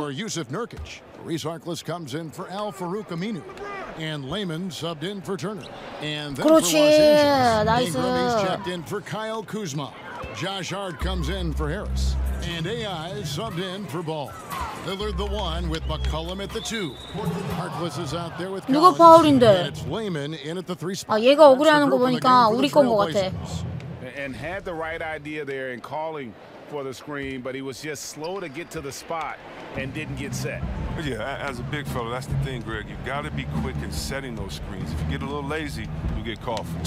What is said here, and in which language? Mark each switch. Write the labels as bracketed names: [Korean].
[English] For Yusuf Nurkic, Reese Harkless comes in for Al Farouk Aminu, and Lehman subbed in for Turner. And then [Korean] 그렇지. [English] For Los Angeles, Ingram is checked in for Kyle Kuzma. Josh Hart comes in for Harris, and AI subbed in for Ball. Lillard the one with McCollum at the two. Harkless is out there with [Korean] Collins. 누가 파울인데? [English] And it's Lehman in at the three spot. [Korean] 아, 얘가 억울해하는 거 보니까 우리 건 거 같아. [English] And had the right idea there in calling for the screen, but he was just slow to get to the spot and didn't get set. Yeah, as a big fella, that's the thing, Greg. You got to be quick in setting those screens. If you get a little lazy, you get caught for it.